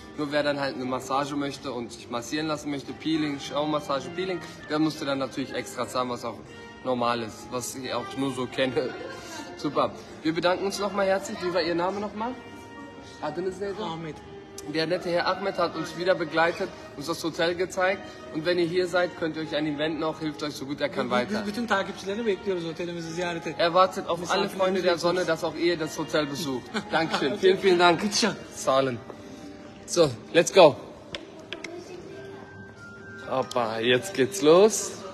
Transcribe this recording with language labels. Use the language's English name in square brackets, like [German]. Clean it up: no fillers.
[German] Nur wer dann halt eine Massage möchte und sich massieren lassen möchte, Peeling, Schaummassage, Peeling, der musste dann natürlich extra zahlen, was auch normal ist, was ich auch nur so kenne. Super. Wir bedanken uns nochmal herzlich. Wie war Ihr Name nochmal? Ahmed. Der nette Herr Ahmed hat uns wieder begleitet, uns das Hotel gezeigt. Und wenn ihr hier seid, könnt ihr euch an ihn wenden, auch hilft euch so gut er kann weiter. [Turkish] Wir bütün Takipçilerini bekliyoruz otelimizi ziyarete. [German] Er wartet auf alle Freunde der Sonne, dass auch ihr das Hotel besucht. Dankeschön. Vielen, vielen Dank. Zahlen. So, [English] let's go. [German] Hoppa, jetzt geht's los.